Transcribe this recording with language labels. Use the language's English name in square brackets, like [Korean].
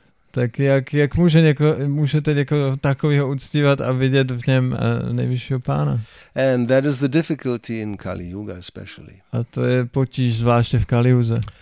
[Czech] Tak jak můžete někoho takového uctívat a vidět v něm nejvyššího pána? [English] And that is the difficulty in Kali Yuga especially. [Czech] A to je potíž zvláště v Kali Yuze.